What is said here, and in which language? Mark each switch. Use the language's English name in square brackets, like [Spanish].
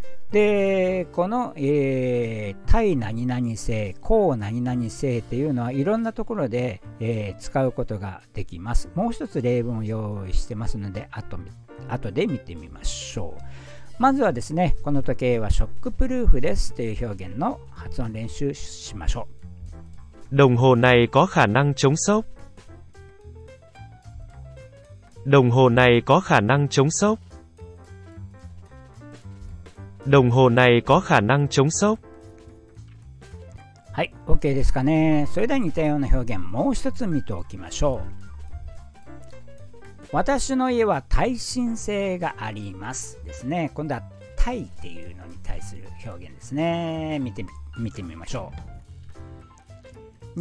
[Japanese] で、この、対何々性、抗何々性っていうのはいろんなところで、使うことができます。もう一つ例文を用意してますので、後で見てみましょう。まずはですね、この時計はショックプルーフですという表現の発音練習しましょう。 [Vietnamese] Đồng hồ này có khả năng chống sốc. Đồng hồ này có khả năng chống sốc. Đồng hồ này có khả năng chống sốc. [Japanese] はい、 OK ですかね。それでは似たような表現もう一つ見ておきましょう。私の家は耐震性がありますですね。今度は耐っていうのに対する表現ですね。見てみましょう。